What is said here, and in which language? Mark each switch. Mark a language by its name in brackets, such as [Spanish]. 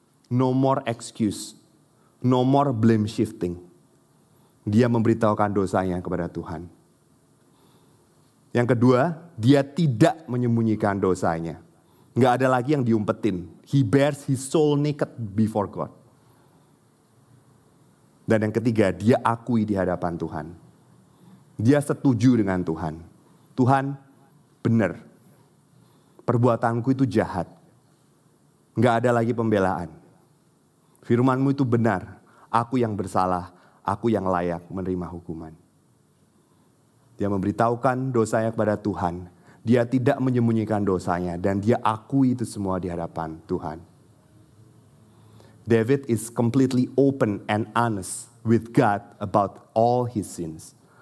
[English] No more excuse, no more blame shifting. [Indonesian] Dia memberitahukan dosanya kepada Tuhan. Yang kedua, dia tidak menyembunyikan dosanya. Gak ada lagi yang diumpetin. [English] He bears his soul naked before God. [Indonesian] Dan yang ketiga, dia akui di hadapan Tuhan. Dia setuju dengan Tuhan. Tuhan, benar. Perbuatanku itu jahat. Gak ada lagi pembelaan. Firmanmu itu benar. Aku yang bersalah. Aku yang layak menerima hukuman. Dia memberitahukan dosanya kepada Tuhan. Dia tidak menyembunyikan dosanya. Dan dia akui itu semua di hadapan Tuhan. [English] David is completely open and honest with God about all his sins.